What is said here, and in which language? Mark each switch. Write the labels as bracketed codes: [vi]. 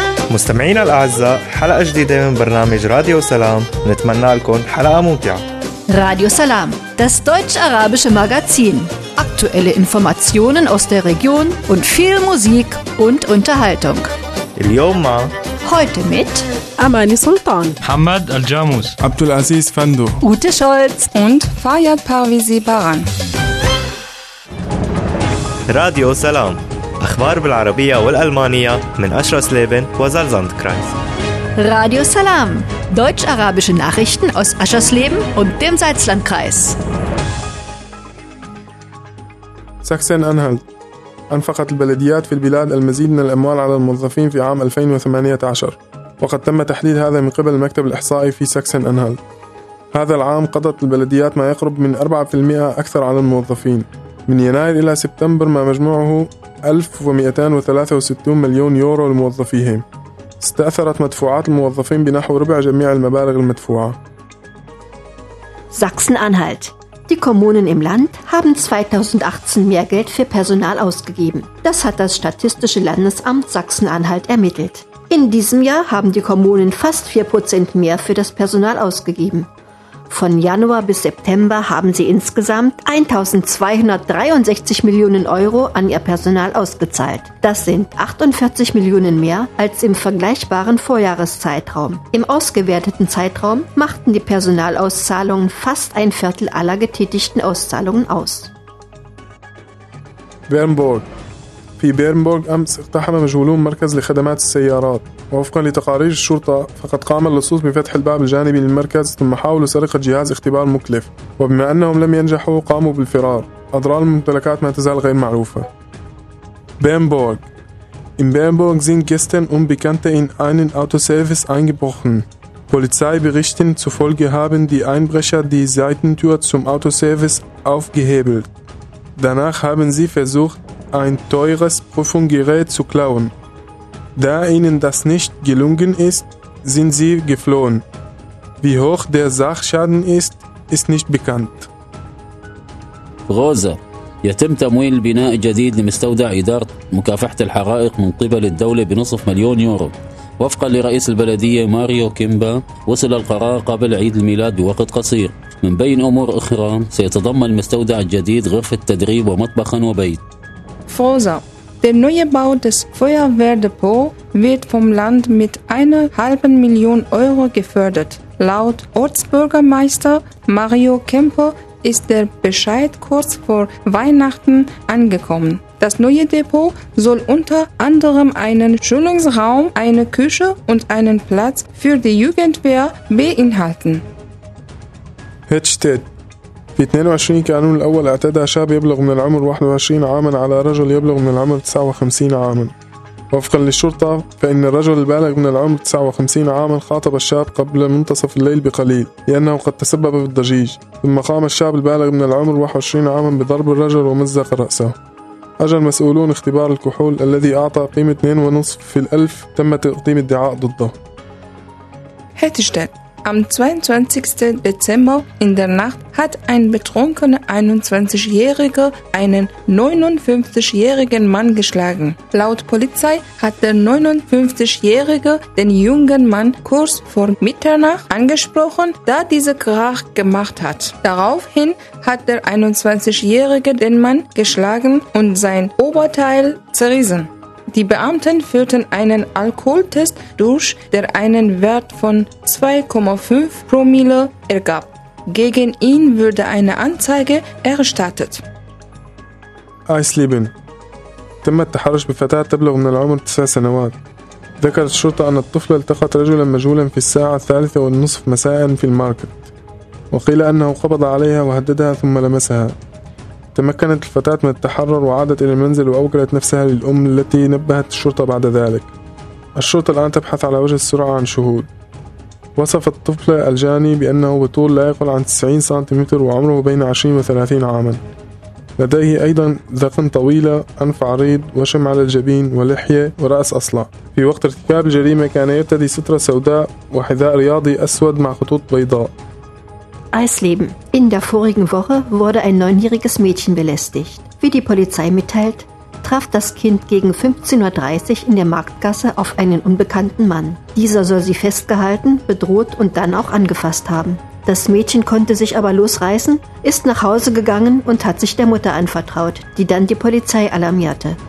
[ar] مستمعينا الأعزاء، حلقة جديدة من برنامج راديو سلام، نتمنى لكم حلقة ممتعة. [de] راديو سلام Das deutsch-arabische Magazin. Aktuelle Informationen aus der Region und viel Musik und Unterhaltung. [ar] اليوم [de] Heute mit Amani Sultan, Hamad Al-Jamus, Abdulaziz Fando, Ute Scholz und Fayyad Parvizi Baran. Radio Salam. [ar] أخبار بالعربية والألمانية من أشرس ليبن وزلزاند كرايس. [de] Radio Salam. Deutsch-arabische Nachrichten aus Aschersleben und dem Salzlandkreis. Sachsen-Anhalt. [ar] أنفقت البلديات في البلاد المزيد من الأموال على الموظفين في عام 2018، وقد تم تحديد هذا من قبل المكتب الإحصائي في ساكسن-أنهالت. هذا العام قضت البلديات ما يقرب من 4% أكثر على الموظفين، من يناير إلى سبتمبر ما مجموعه 1263 مليون يورو لموظفيهم. استأثرت مدفوعات الموظفين بنحو ربع جميع المبالغ المدفوعة. ساكسن-أنهالت. [de] Die Kommunen im Land haben 2018 mehr Geld für Personal ausgegeben. Das hat das Statistische Landesamt Sachsen-Anhalt ermittelt. In diesem Jahr haben die Kommunen fast 4% mehr für das Personal ausgegeben. Von Januar bis September haben sie insgesamt 1.263 Millionen Euro an ihr Personal ausgezahlt. Das sind 48 Millionen mehr als im vergleichbaren Vorjahreszeitraum. Im ausgewerteten Zeitraum machten die Personalauszahlungen fast ein Viertel aller getätigten Auszahlungen aus. Bernburg. [ar] في بيرنبورغ أمس اقتحم مجهولون مركز لخدمات السيارات، ووفقا لتقارير الشرطة فقد قام اللصوص بفتح الباب الجانبي للمركز ثم حاولوا سرقة جهاز اختبار مكلف، وبما أنهم لم ينجحوا قاموا بالفرار. أضرار الممتلكات ما تزال غير معروفة. بيرنبورغ. [de] In Bernburg sind gestern Unbekannte in einen Autoservice eingebrochen. Polizeiberichten zufolge haben die Einbrecher die Seitentür zum Autoservice aufgehebelt. Danach haben sie versucht, ein teures Prüfungsgerät zu klauen. Da ihnen das nicht gelungen ist, sind sie geflohen. Wie hoch der Sachschaden ist, ist nicht bekannt. [ar] غزة. يتم تمويل بناء جديد لمستودع إدارة مكافحة الحرائق من قبل الدولة بنصف مليون يورو. وفقا لرئيس البلدية ماريو كيمبا، وصل القرار قبل عيد الميلاد بوقت قصير. من بين أمور أخرى، سيتضمن المستودع الجديد غرفة تدريب ومطبخا وبيت. [de] Forza. Der neue Bau des Feuerwehrdepots wird vom Land mit 500.000 Euro gefördert. Laut Ortsbürgermeister Mario Kempo ist der Bescheid kurz vor Weihnachten angekommen. Das neue Depot soll unter anderem einen Schulungsraum, eine Küche und einen Platz für die Jugendwehr beinhalten. Hedstedt. [ar] في 22 كانون الأول اعتدى شاب يبلغ من العمر 21 عاما على رجل يبلغ من العمر 59 عاما. وفقا للشرطة فإن الرجل البالغ من العمر 59 عاما خاطب الشاب قبل منتصف الليل بقليل لأنه قد تسبب بالضجيج، ثم قام الشاب البالغ من العمر 21 عاما بضرب الرجل ومزق رأسه. أجل مسؤولون اختبار الكحول الذي أعطى قيمة 2.5% تم تقديم الدعاء ضده. [de] هاتشتاد. Am 22. Dezember in der Nacht hat ein betrunkener 21-Jähriger einen 59-jährigen Mann geschlagen. Laut Polizei hat der 59-Jährige den jungen Mann kurz vor Mitternacht angesprochen, da dieser Krach gemacht hat. Daraufhin hat der 21-Jährige den Mann geschlagen und sein Oberteil zerrissen. Die Beamten führten einen Alkoholtest durch, der einen Wert von 2,5 Promille ergab. Gegen ihn wurde eine Anzeige erstattet. Eisleben. [ar] تم التحرش بفتاة تبلغ من العمر 9 سنوات. ذكرت الشرطة أن الطفلة التقت رجلا مجهولا في الساعة 3:30 مساء في الماركت، وقيل أنه قبض عليها وهددها ثم لمسها. تمكنت الفتاة من التحرر وعادت إلى المنزل وأوكلت نفسها للأم التي نبهت الشرطة بعد ذلك. الشرطة الآن تبحث على وجه السرعة عن شهود. وصف الطفل الجاني بأنه بطول لا يقل عن 90 سنتيمتر وعمره بين 20 و30 عاما. لديه أيضا ذقن طويلة، أنف عريض، وشم على الجبين، ولحية، ورأس أصلع. في وقت ارتكاب الجريمة كان يرتدي سترة سوداء وحذاء رياضي أسود مع خطوط بيضاء. [de] Eisleben. In der vorigen Woche wurde ein neunjähriges Mädchen belästigt. Wie die Polizei mitteilt, traf das Kind gegen 15.30 Uhr in der Marktgasse auf einen unbekannten Mann. Dieser soll sie festgehalten, bedroht und dann auch angefasst haben. Das Mädchen konnte sich aber losreißen, ist nach Hause gegangen und hat sich der Mutter anvertraut, die dann die Polizei alarmierte.